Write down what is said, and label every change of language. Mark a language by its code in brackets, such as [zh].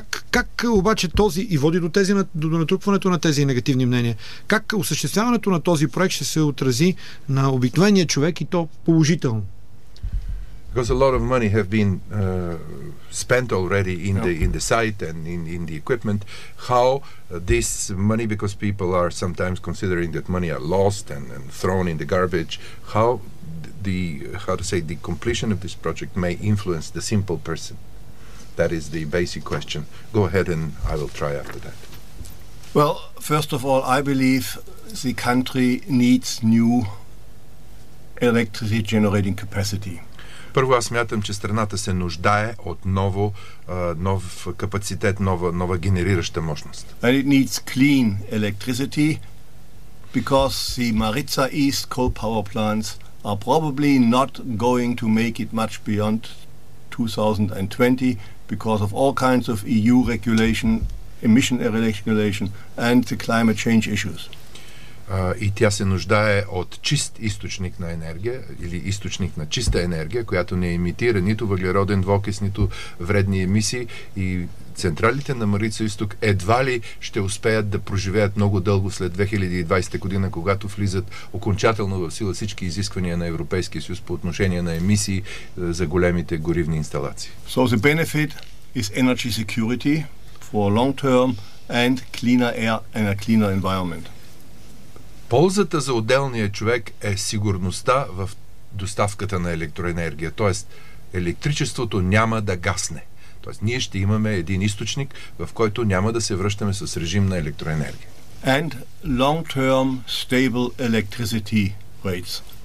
[bg] Как обаче този и води до тези до натрупването на тези негативни мнения? Как осъществяването на този проект ще се отрази на обикновения човек и то положително? [en] because a lot of money have been spent already in the site and in the equipment. How this money, because people are sometimes considering that money are lost and thrown in the garbage, how the completion of this project may influence the simple person? That is the basic question. Go ahead and I will try after that. Well, first of all, I believe the country needs new electricity generating capacity. [bg] Първо аз смятам, че страната се нуждае от ново, нов капацитет, нова генерираща мощност. [en] And it needs clean electricity because the Maritsa East coal power plants are probably not going to make it much beyond 2020 because of all kinds of EU regulation, emission regulation and the climate change issues. [bg] И тя се нуждае от чист източник на енергия или източник на чиста енергия, която не емитира нито въглероден двуокис, нито вредни емисии, и централите на Марица Исток едва ли ще успеят да проживеят много дълго след 2020 година, когато влизат окончателно в сила всички изисквания на Европейския съюз по отношение на емисии за големите горивни инсталации. [en] So the benefit is energy security for long term and cleaner air and a cleaner environment. [bg] Ползата за отделния човек е сигурността в доставката на електроенергия. Тоест, електричеството няма да гасне. Тоест, ние ще имаме един източник, в който няма да се връщаме с режим на електроенергия. [en] And long-term stable electricity rates.